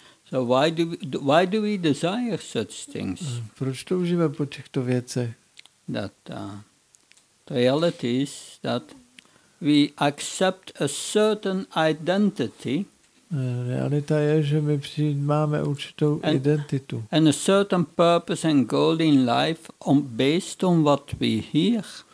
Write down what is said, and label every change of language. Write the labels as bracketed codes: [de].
[en] So why do we desire such things? [cs] Proč toužíme po těchto věcech? [en] That the reality is that we accept a certain identity. [cs] Realita je, že my přijímáme určitou identitu. [en] And a certain purpose and goal in life based on what we hear.